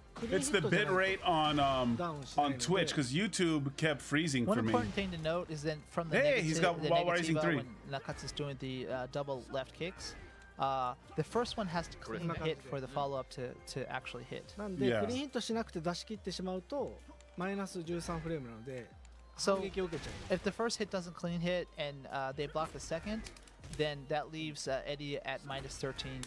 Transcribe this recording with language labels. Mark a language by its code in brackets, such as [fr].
[en] It's the bit rate on Twitch because YouTube kept freezing for me. One important thing to note is that from the negative when Nakatsu is doing the double left kicks, the first one has to clean hit for the follow up to actually hit. [ja] なんでクリーンヒットしなくて出し切ってしまうとマイナス13フレームなので [en] So if the first hit doesn't clean hit and they block the second, then that leaves Eddy at minus 13.